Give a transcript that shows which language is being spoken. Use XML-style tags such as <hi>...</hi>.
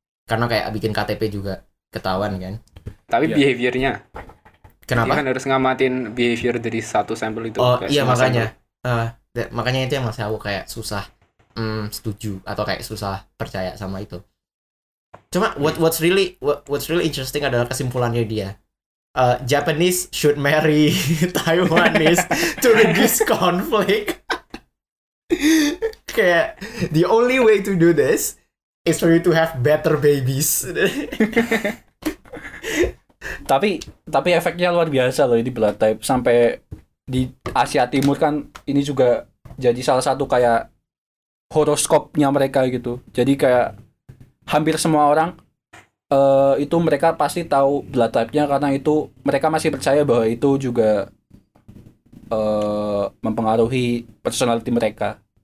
<id>Karena kayak bikin KTP juga ketahuan kan. Tapi ya. Behaviornya. Kenapa? Dia kan harus ngamatin behavior dari satu sampel itu. Oh iya makanya. Makanya itu yang masih aku kayak susah setuju atau kayak susah percaya sama itu. Cuma</id> <en>what's really interesting</en> <id>adalah kesimpulannya dia.</id> <en>Japanese should marry Taiwanese to reduce conflict. Kayak the only way to do this is for you to have better babies.</en> <id>tapi efeknya luar biasa loh ini blood type sampai di Asia Timur kan ini juga jadi salah satu kayak horoskopnya mereka gitu. Jadi kayak hampir semua orang itu mereka pasti tahu blood type-nya karena itu mereka masih percaya bahwa itu juga mempengaruhi personality mereka.</id>